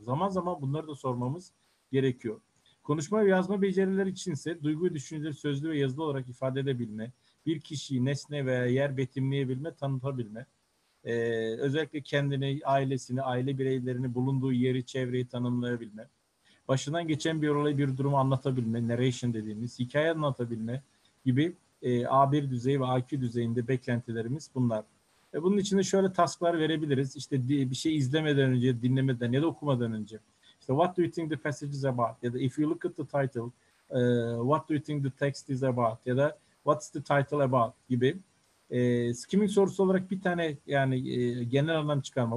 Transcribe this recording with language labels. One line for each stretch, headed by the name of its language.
Turkish: Zaman zaman bunları da sormamız gerekiyor. Konuşma ve yazma becerileri içinse duygu ve düşünceleri sözlü ve yazılı olarak ifade edebilme, bir kişiyi nesne veya yer betimleyebilme, tanıtabilme, özellikle kendini, ailesini, aile bireylerini, bulunduğu yeri, çevreyi tanımlayabilme, başından geçen bir olayı, bir durumu anlatabilme, narration dediğimiz, hikaye anlatabilme gibi A1 düzeyi ve A2 düzeyinde beklentilerimiz bunlar. Bunun için de şöyle tasklar verebiliriz. İşte bir şey izlemeden önce, dinlemeden ya da okumadan önce. İşte
English: what do you think the passage is about?
Turkish: Ya da
English: if you look at the title, what do you think the text is about?
Turkish: Ya da
English: what's the title about?
Turkish: Gibi. Skimming sorusu olarak bir tane yani genel anlam çıkarma.